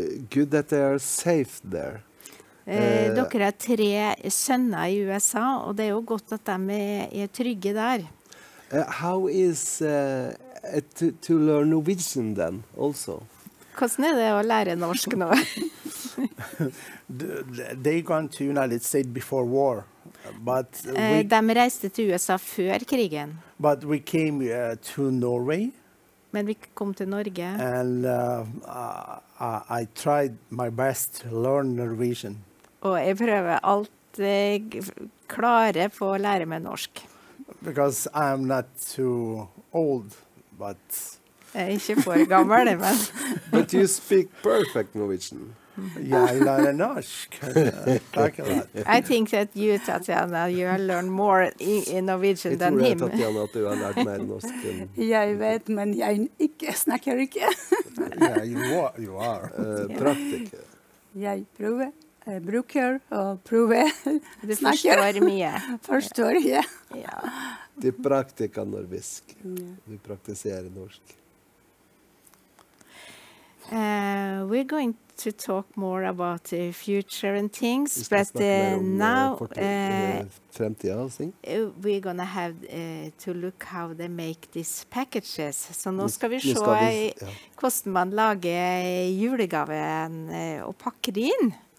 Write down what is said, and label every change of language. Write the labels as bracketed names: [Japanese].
[English] Good that they are safe there. [Norwegian] Dere har tre sønner i USA, og det er jo godt at de er trygge der. [English] How is to learn Norwegian then also? [Norwegian] Hvordan er det å lære norsk nå? [English] They gone to United States before war, but [Norwegian] de reiste til USA før krigen. [English] But we came to Norway. [Norwegian] Men vi kom til Norge. [English] And I tried my best to learn Norwegian. [Norwegian] Og jeg prøver alt jeg klarer på å lære meg norsk. [English] Because I'm not too old, but... [Norwegian] Jeg er ikke for gammel, men... [English] But you speak perfect Norwegian. Yeah, I learn norsk. Thank you. I think that you, Tatjana, you have learned more in Norwegian than him. [Norwegian] Jeg tror, Tatjana, at du har lært mer norsk enn... Jeg vet, men jeg ikke snakker ikke. [English] Yeah, you are. [Norwegian] Praktiker. Jeg prøver. Jeg bruker å prøve å snakke. Du forstår mye. Forstår, ja. Du praktiker norsk. Du praktiserer norsk. [English] We're going to talk more about the future and things, but now we're going to have to look how they make these packages. [Norwegian] So nå skal vi se hvordan man lager julegaven og pakker inn.